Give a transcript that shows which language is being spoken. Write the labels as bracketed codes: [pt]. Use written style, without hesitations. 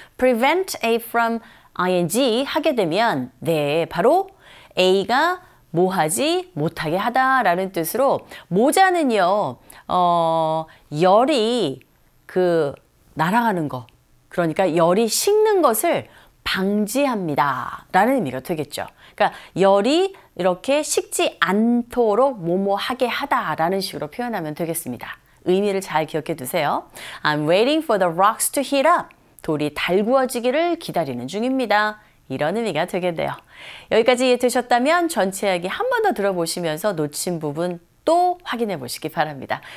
[en] prevent a from ing [ko] 하게 되면 네 바로 a가 뭐하지 못하게 하다 라는 뜻으로 모자는요 열이 그 날아가는 거 그러니까 열이 식는 것을 방지합니다 라는 의미가 되겠죠. 그러니까 열이 이렇게 식지 않도록 뭐뭐하게 하다 라는 식으로 표현하면 되겠습니다. 의미를 잘 기억해 두세요. [en] I'm waiting for the rocks to heat up. [ko] 돌이 달구어지기를 기다리는 중입니다. 이런 의미가 되겠네요. 여기까지 이해 되셨다면 전체 이야기 한 번 더 들어보시면서 놓친 부분 또 확인해 보시기 바랍니다.